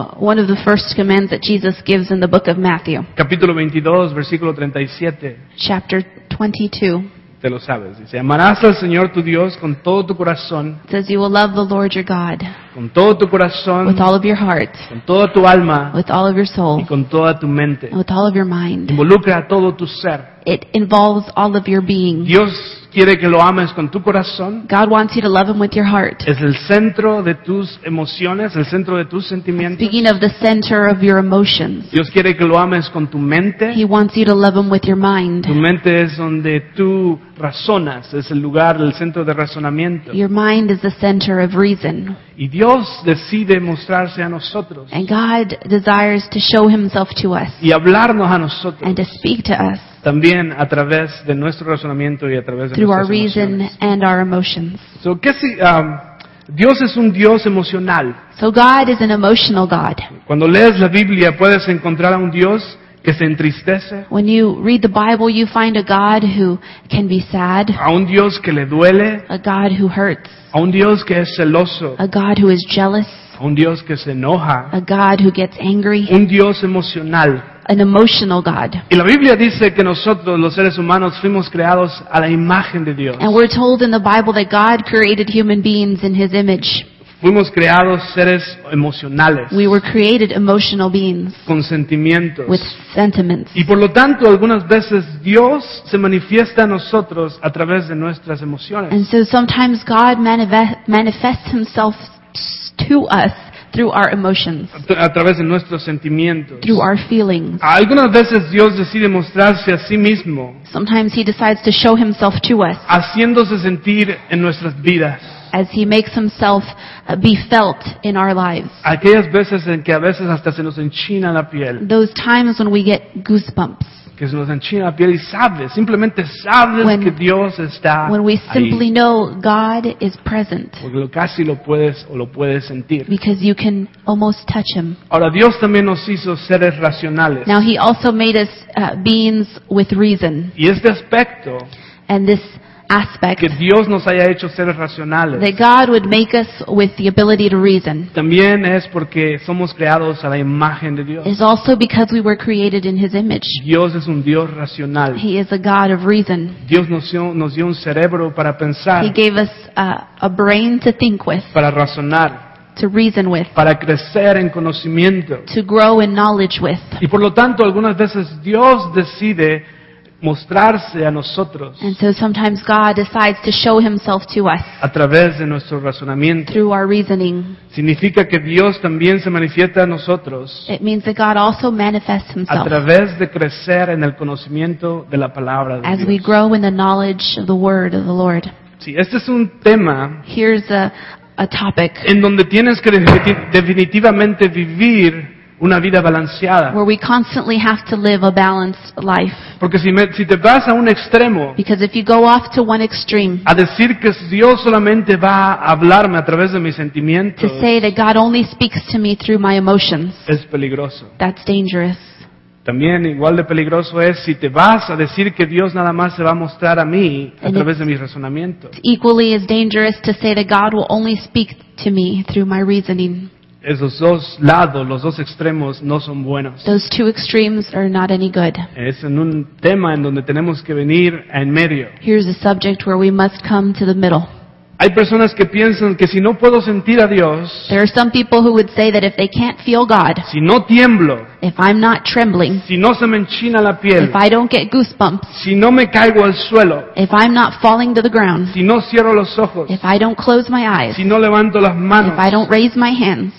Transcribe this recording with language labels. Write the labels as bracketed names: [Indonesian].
[English] One of the first commands that Jesus gives in the book of Matthew. [Spanish] Capítulo 22, versículo 37. [English] Chapter 22. [Spanish] Te lo sabes. Dice, amarás al Señor tu Dios con todo tu corazón. [English] It says you will love the Lord your God. [Spanish] Con todo tu corazón. [English] With all of your heart. [Spanish] Con toda tu alma. [English] With all of your soul. [Spanish] Y con toda tu mente. [English] With all of your mind. [Spanish] Involucra a todo tu ser. [English] It involves all of your being. [Spanish] Dios quiere que lo ames con tu corazón. [English] God wants you to love him with your heart. [Spanish] Es el centro de tus emociones, el centro de tus sentimientos. [English] Speaking of the center of your emotions. [Spanish] Dios quiere que lo ames con tu mente. [English] He wants you to love him with your mind. [Spanish] Tu mente es donde tú razonas, es el lugar, el centro de razonamiento. [English] Your mind is the center of reason. [Spanish] Y Dios decide mostrarse a nosotros. [English] And God desires to show himself to us. [Spanish] Y hablarnos a nosotros. [English] And to speak to us. [Spanish] También a través de nuestro razonamiento y a través de [English] through our reason and our emotions. [Spanish] So, ¿qué si, Dios es un Dios emocional? [English] So God is an emotional God. [Spanish] Cuando lees la Biblia puedes encontrar a un Dios que se entristece. [English] When you read the Bible you find a God who can be sad. [Spanish] A un Dios que le duele. [English] A God who hurts. [Spanish] A un Dios que es celoso. [English] A God who is jealous. [Spanish] A un Dios que se enoja. [English] A God who gets angry. [Spanish] Un Dios emocional. [English] An emotional God. [Spanish] Y la Biblia dice que nosotros, los seres humanos, fuimos creados a la imagen de Dios. [English] And we're told in the Bible that God created human beings in His image. [Spanish] Fuimos creados seres emocionales. [English] We were created emotional beings. [Spanish] Con sentimientos. [English] With sentiments. [Spanish] Y por lo tanto, algunas veces Dios se manifiesta a nosotros a través de nuestras emociones. [English] And so sometimes God manifests Himself to us through our emotions, [Spanish] a través de nuestros sentimientos, [English] through our feelings. [Spanish] Algunas veces Dios decide mostrarse a sí mismo, [English] sometimes He decides to show Himself to us, [Spanish] haciéndose sentir en nuestras vidas, [English] as He makes Himself be felt in our lives. [Spanish] Aquellas veces en que a veces hasta se nos enchina la piel, [English] those times when we get goosebumps. [Spanish] que nos enchina la piel y sabes, simplemente sabes when, que Dios está ahí. [English] When we simply [Spanish] ahí. [English] Know God is present. [Spanish] Porque casi lo puedes o lo puedes sentir. [English] Because you can almost touch him. [Spanish] Ahora Dios también nos hizo seres racionales. [English] Now he also made us beings with reason. [Spanish] Y este aspecto [English] and this aspect, [Spanish] que Dios nos haya hecho seres racionales. [English] That God would make us with the ability to reason. [Spanish] También es porque somos creados a la imagen de Dios. [English] It's also because we were created in His image. [Spanish] Dios es un Dios racional. [English] He is a God of reason. [Spanish] Dios nos dio un cerebro para pensar. [English] He gave us a brain to think with. [Spanish] Para razonar. [English] To reason with. [Spanish] Para crecer en conocimiento. [English] To grow in knowledge with. [Spanish] Y por lo tanto, algunas veces Dios decide mostrarse a nosotros. [English] And so sometimes God decides to show himself to us. [Spanish] A través de nuestro razonamiento. [English] Through our reasoning. [Spanish] Significa que Dios también se manifiesta a nosotros. [English] It means that God also manifests himself. [Spanish] A través de crecer en el conocimiento de la palabra de Dios. [English] As we grow in the knowledge of the word of the Lord. [Spanish] Sí, este es un tema. [English] Here's a topic. [Spanish] En donde tienes que definitivamente vivir una vida balanceada. [English] Where we constantly have to live a balanced life. [Spanish] Porque si te vas a un extremo. [English] Because if you go off to one extreme. [Spanish] A decir que Dios solamente va a hablarme a través de mis sentimientos. [English] To say that God only speaks to me through my emotions. [Spanish] Es peligroso. [English] That's dangerous. [Spanish] También igual de peligroso es si te vas a decir que Dios nada más se va a mostrar a mí a [English] and [Spanish] través de mis razonamientos. [English] Equally as dangerous to say that God will only speak to me through my reasoning. [Spanish] Esos dos lados, los dos extremos, no son buenos. [English] Those two extremes are not any good. [Spanish] Es en un tema en donde tenemos que venir en medio. [English] Here's a subject where we must come to the middle. [Spanish] Hay personas que piensan que si no puedo sentir a Dios, [English] there are some people who would say that if they can't feel God, [Spanish] si no tiemblo, [English] if I'm not trembling, [Spanish] si no se me enchina la piel, [English] if I don't get goosebumps, [Spanish] si no me caigo al suelo, [English] if I'm not falling to the ground, [Spanish] si no cierro los ojos, [English] if I don't close my eyes, [Spanish] si no levanto las manos, [English] if I don't raise my hands,